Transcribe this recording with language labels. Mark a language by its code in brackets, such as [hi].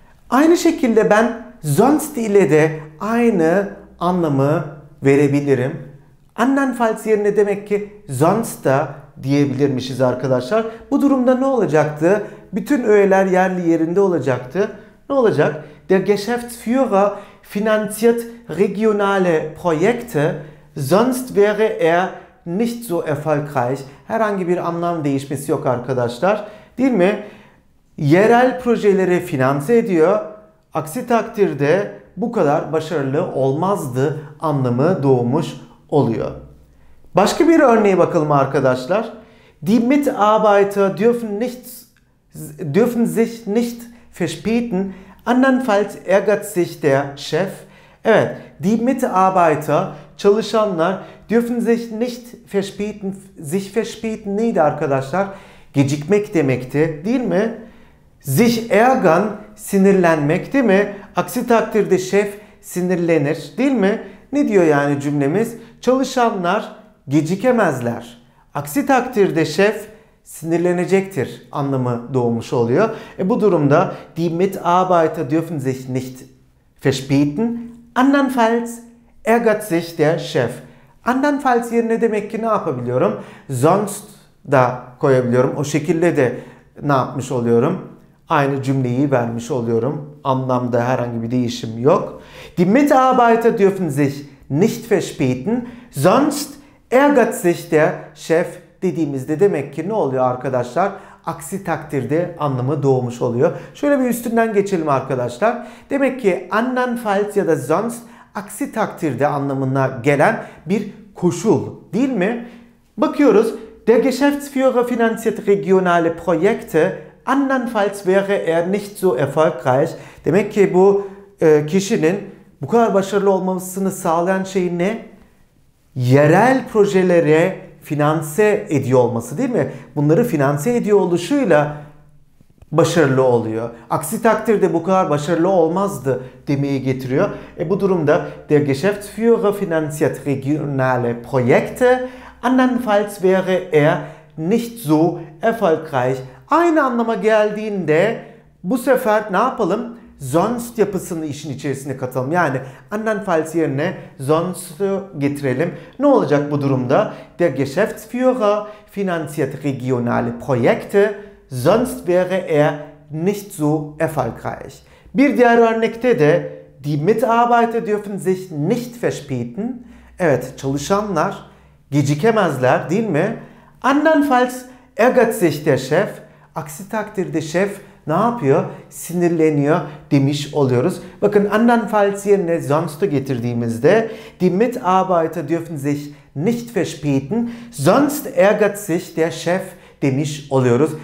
[tr] Aynı şekilde ben sonst ile de aynı anlamı verebilirim. Andernfalls yerine demek ki sonst da diyebilirmişiz arkadaşlar. Bu durumda ne olacaktı? Bütün öğeler yerli yerinde olacaktı. Ne olacak? [de] Der Geschäftsführer finanziert regionale Projekte. Sonst wäre er nicht so erfolgreich. [tr] Herhangi bir anlam değişmesi yok arkadaşlar. Değil mi? Yerel projeleri finanse ediyor. Aksi takdirde bu kadar başarılı olmazdı anlamı doğmuş oluyor. Başka bir örneğe bakalım arkadaşlar. [de] Die Mitarbeiter dürfen sich nicht verspäten. Andernfalls ärgert sich der Chef. [tr] Evet, [de] die Mitarbeiter, çalışanlar dürfen sich nicht verspäten. [tr] Sich verspäten neydi arkadaşlar? Gecikmek demekti, değil mi? Sich ärgern, sinirlenmek, değil mi? Aksi takdirde şef sinirlenir, değil mi? Ne diyor yani cümlemiz? Çalışanlar gecikemezler. Aksi takdirde şef sinirlenecektir anlamı doğmuş oluyor. Bu durumda [de] die Mitarbeiter dürfen sich nicht verspäten. Andernfalls ärgert sich der Chef. [tr] Andernfalls yerine demek ki ne yapabiliyorum? Sonst da koyabiliyorum. O şekilde de ne yapmış oluyorum? Aynı cümleyi vermiş oluyorum. Anlamda herhangi bir değişim yok. [de] Die Mitarbeiter dürfen sich nicht verspäten. Sonst ärgert sich der Chef [tr] dediğimizde demek ki ne oluyor arkadaşlar? Aksi takdirde anlamı doğmuş oluyor. Şöyle bir üstünden geçelim arkadaşlar. Demek ki andernfalls ya da sonst aksi takdirde anlamına gelen bir koşul, değil mi? Bakıyoruz. [de] Der Geschäftsführer finanziert regionale Projekte. Andernfalls wäre er nicht so erfolgreich. [tr] Demek ki bu kişinin bu kadar başarılı olmasını sağlayan şey ne? Yerel projelere finanse ediyor olması değil mi? Bunları finanse ediyor oluşuyla başarılı oluyor. Aksi takdirde bu kadar başarılı olmazdı demeyi getiriyor. Bu durumda [de] der Geschäftsführer finanziert regionale Projekte, andernfalls wäre er nicht so erfolgreich. [tr] Aynı anlama geldiğinde bu sefer ne yapalım? Sonst yapısını işin içerisine katalım. Yani andernfalls yerine sonst'u getirelim. Ne olacak bu durumda? [de] Der Geschäftsführer finanziert regionale Projekte, sonst wäre er nicht so erfolgreich. [tr] Bir diğer örnekte de [de] die Mitarbeiter dürfen sich nicht verspäten. [tr] Evet, çalışanlar gecikemezler değil mi? [de] Andernfalls ärgert sich der Chef. [tr] Aksi takdirde şef ne yapıyor? Sinirleniyor demiş oluyoruz. Bakın andernfalls yerine sonst'u getirdiğimizde [de] die Mitarbeiter dürfen sich nicht verspäten, sonst ärgert sich der Chef [tr] demiş oluyoruz.